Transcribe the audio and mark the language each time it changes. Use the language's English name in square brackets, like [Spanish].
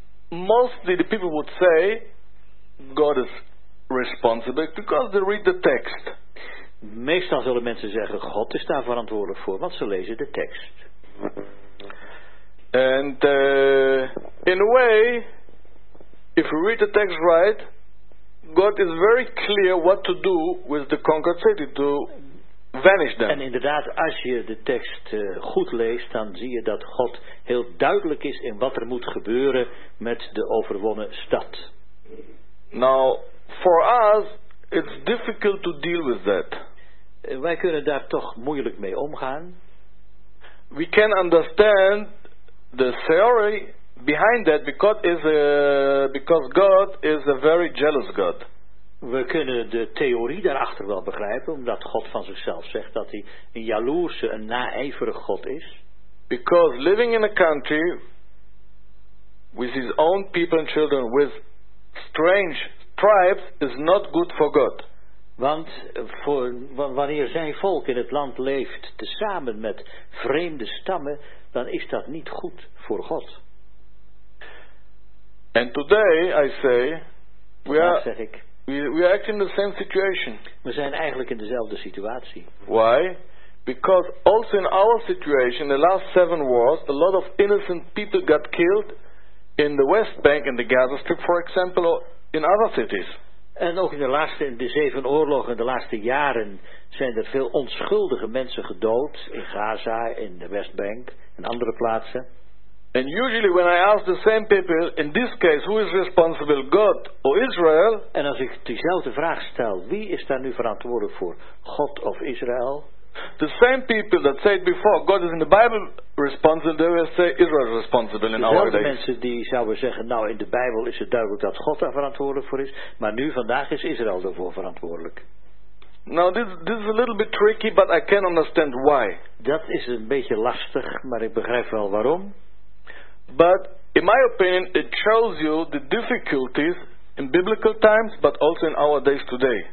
[English] Mostly the people would say God is responsible because they read the text. [Dutch] Meestal zullen mensen zeggen God is daar verantwoordelijk voor, want ze lezen de tekst. [English] And in a way, if we read the text right, God is very clear what to do with the conquered city, to vanish them. [Dutch] En inderdaad, als je de tekst goed leest, dan zie je dat God heel duidelijk is in wat er moet gebeuren met de overwonnen stad. [English] Now, for us, it's difficult to deal with that. [Dutch] Wij kunnen daar toch moeilijk mee omgaan. [English] We can understand the theory behind that because God is a very jealous God. [Dutch] We kunnen de theorie daarachter wel begrijpen, omdat God van zichzelf zegt dat hij een jaloerse, een naijverige God is. [English] Because living in a country with his own people and children with strange tribes is not good for God. [Dutch] Want wanneer zijn volk in het land leeft tezamen met vreemde stammen, dan is dat niet goed voor God. [English] And today I say we are actually in the same situation. [Dutch] We zijn eigenlijk in dezelfde situatie. [English] Why? Because also in our situation, the last 7 wars, a lot of innocent people got killed in the West Bank and the Gaza Strip, for example, or in other cities. [Dutch] En ook in de 7 oorlogen, de laatste jaren, zijn er veel onschuldige mensen gedood in Gaza, in de West Bank en andere plaatsen. [English] And usually when I ask the same people, in this case, who is responsible, God or Israel? [Dutch] En als ik diezelfde vraag stel, wie is daar nu verantwoordelijk voor, God of Israël? [English] The same people that said before, God is in the Bible responsible, they will say Israel is responsible in our days. [Dutch] Dezelfde mensen die zouden zeggen, nou in de Bijbel is het duidelijk dat God daar verantwoordelijk voor is, maar nu vandaag is Israël daarvoor verantwoordelijk. [English] Now this is a little bit tricky, but I can understand why. [Dutch] Dat is een beetje lastig, maar ik begrijp wel waarom. [English] But in my opinion, it shows you the difficulties in biblical times, but also in our days today.